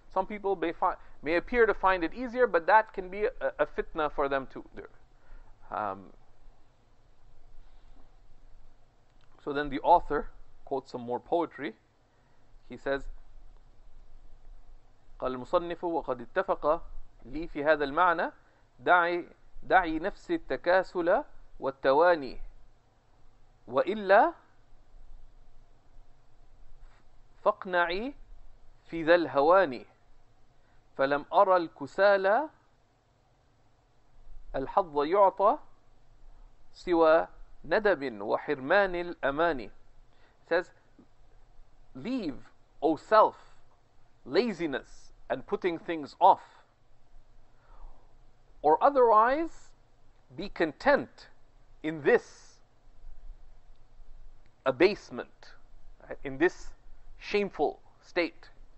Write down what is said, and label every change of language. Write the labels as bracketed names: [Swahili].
[English] Some people may appear to find it easier, but that can be a fitna for them to do. So then the author quotes some more poetry. He says, [Arabic] قال المصنف وقد اتفق لي في هذا المعنى دعي نفس التكاسل والتواني وإلا فاقنعي في ذا الهوان فلم أرى الكسالى الحظ يعطى سوى ندب وحرمان الأمان. [English] Says, leave, O self, laziness and putting things off, or otherwise be content in this abasement, in this shameful state.